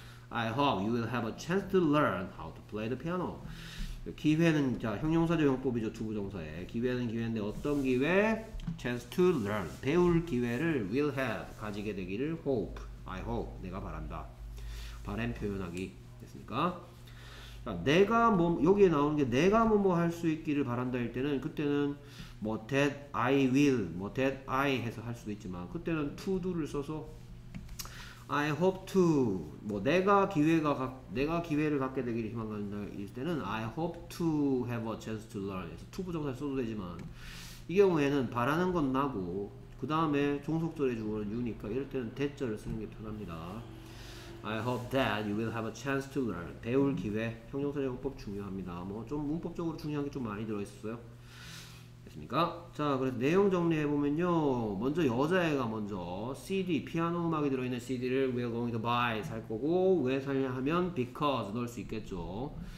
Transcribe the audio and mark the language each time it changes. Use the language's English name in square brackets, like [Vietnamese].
[English] I hope you will have a chance to learn how to play the piano. [Korean] 기회는 자 형용사적 용법이죠. 두 부정사에 기회는 기회인데 어떤 기회? [English] Chance to learn [Korean] 배울 기회를 [English] will have [Korean] 가지게 되기를 [English] hope I hope [Korean] 내가 바란다 바램 표현하기 됐습니까? 내가 뭐 여기에 나오는 게 내가 뭐뭐할수 있기를 바란다 일 때는 그때는 뭐 [English] that I will [Korean] 뭐 that I 해서 할 수도 있지만 그때는 to do를 써서 [English] I hope to 뭐 내가 기회를 갖게 되기를 희망한다 일 때는 I hope to have a chance to learn [Korean] 해서 to 부정사 써도 되지만 이 경우에는 바라는 건 나고 그 다음에 종속절의 주어는 you니까 이럴 때는 that절을 쓰는 게 편합니다. [English] I hope that you will have a chance to learn. [Korean] 배울 기회. 형용사 용법 중요합니다. 뭐, 좀 문법적으로 중요한 게좀 많이 들어있었어요. 됐습니까? 자, 그래서 내용 정리해보면요. 먼저 여자애가 먼저 CD, 피아노 음악이 들어있는 CD를 [English] we are going to buy [Korean] 살 거고, 왜 살냐 하면 because 넣을 수 있겠죠.